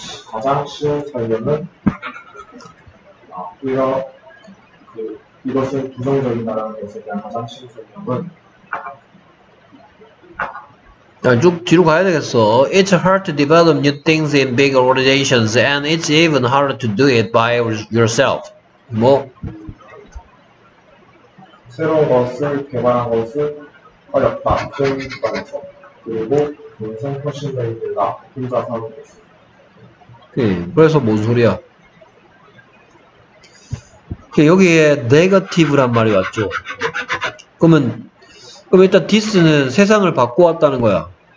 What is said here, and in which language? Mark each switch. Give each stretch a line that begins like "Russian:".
Korean: 가장 쉬운 설명은 오히려 이것은 부정적인다라는 것에 대한 가장 쉬운 설명은 자, 쭉 뒤로 가야 되겠어.
English: It's hard to develop new things in big organizations, and it's even harder to do it by yourself.
Korean: 뭐? 새로운 것을 개발한 것은 어렵다. 그런 것에서 그리고 인생 훨씬 더 힘들다. 혼자 사는 것이. 그래서 뭔 소리야? 여기에 네거티브란 말이 왔죠. 그럼 일단 디스는 세상을 바꿔왔다는 거야.